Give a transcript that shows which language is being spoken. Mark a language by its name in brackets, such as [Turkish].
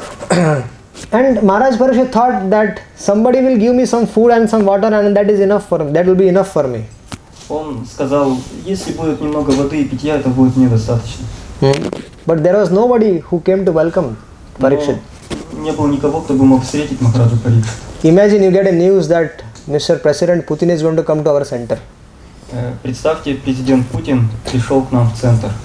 [English] And Maharaj Parikshit thought that somebody will give me some food and some water and that is enough for me. That will be enough for me. [Russian] Он сказал, если будет немного воды и питья, это будет мне достаточно. [English] But there was nobody who came to welcome Parikshit. [Russian] Не было никого, кто бы мог встретить Махараджу Парикшит. [English] Imagine you get a news that Mr. President Putin is going to come to our center. [Russian] Представьте, президент Путин пришел к нам в центр.